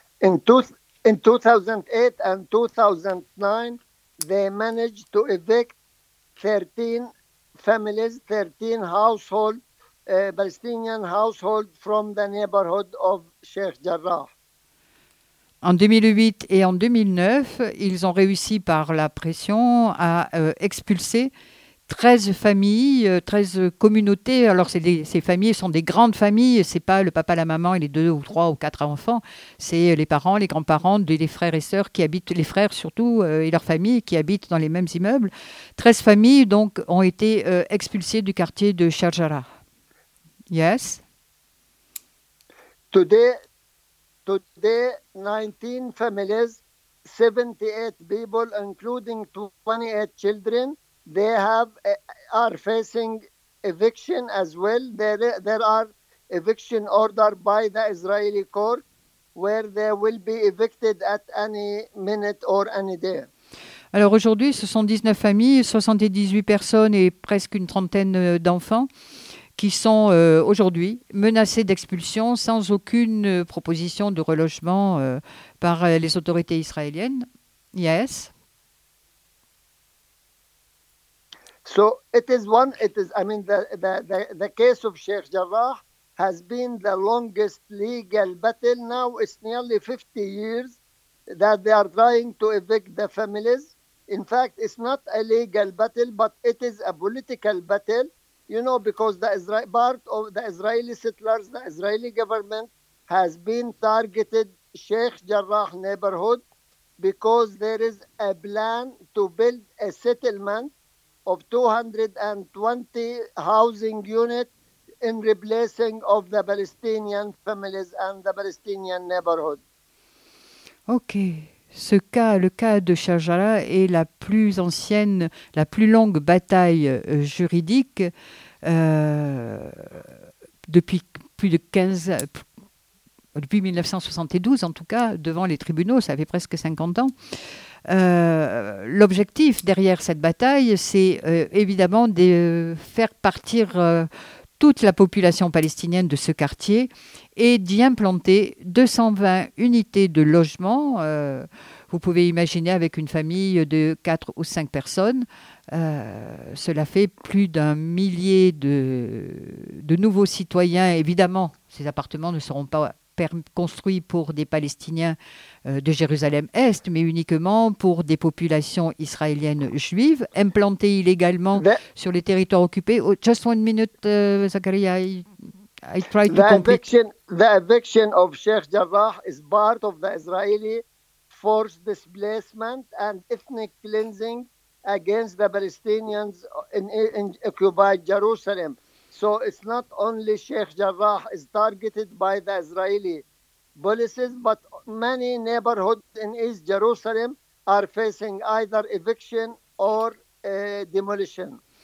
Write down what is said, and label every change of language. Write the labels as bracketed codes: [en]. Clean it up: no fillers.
[en] In 2008 and 2009, they managed to evict 13 families, 13 households, Palestinian households from the neighborhood of Sheikh Jarrah. [fr] En 2008 et en 2009, ils ont réussi par la pression à expulser 13 familles, 13 communautés. Alors, ces familles sont des grandes familles. Ce n'est pas le papa, la maman et les deux ou trois ou quatre enfants. C'est les parents, les grands-parents, les frères et sœurs qui habitent, les frères surtout, et leurs familles qui habitent dans les mêmes immeubles. 13 familles, donc, ont été expulsées du quartier de Sheikh Jarrah. [en] Yes? Today, 19 families, 78 people, including 28 children, they have are facing eviction as well. There are eviction order by the Israeli court where they will be evicted at any minute or any day. [fr] Alors aujourd'hui, ce sont 19 familles, 78 personnes et presque une trentaine d'enfants qui sont aujourd'hui menacés d'expulsion sans aucune proposition de relogement par les autorités israéliennes. [en] Yes. So the case of Sheikh Jarrah has been the longest legal battle. Now it's nearly 50 years that they are trying to evict the families. In fact, it's not a legal battle, but it is a political battle. You know, because the part of the Israeli settlers, the Israeli government has been targeted Sheikh Jarrah neighborhood because there is a plan to build a settlement of 220 housing units in replacing of the Palestinian families and the Palestinian neighborhood. Okay. [fr] Ce cas, le cas de Sheikh Jarrah, est la plus ancienne, la plus longue bataille juridique depuis plus de 1972 en tout cas, devant les tribunaux, ça fait presque 50 ans. L'objectif derrière cette bataille, c'est évidemment de faire partir toute la population palestinienne de ce quartier et d'y implanter 220 unités de logement. Vous pouvez imaginer avec une famille de 4 ou 5 personnes, cela fait plus d'un millier de nouveaux citoyens. Évidemment, ces appartements ne seront pas construits pour des Palestiniens de Jérusalem-Est, mais uniquement pour des populations israéliennes juives implantées illégalement sur les territoires occupés. [en] Oh, just one minute, Zakaria. I try to complete. The eviction of Sheikh Jarrah is part of the Israeli forced displacement and ethnic cleansing against the Palestinians in occupied Jerusalem. So it's not only Sheikh Jarrah is targeted by the Israeli policies, but many neighborhoods in East Jerusalem are facing either eviction or demolition.